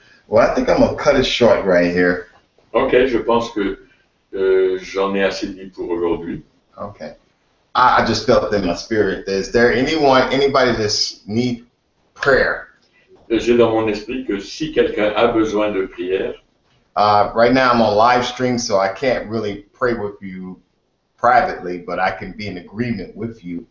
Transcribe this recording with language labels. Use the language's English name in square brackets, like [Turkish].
[English] Well, I think I'm going to cut it short right here. [French] Ok, je pense que j'en ai assez dit pour aujourd'hui. [English] Ok. I just felt in my spirit. Is there anybody that needs prayer? [French] J'ai dans mon esprit que si quelqu'un a besoin de prière. [English] Right now I'm on live stream, so I can't really pray with you privately, but I can be in agreement with you.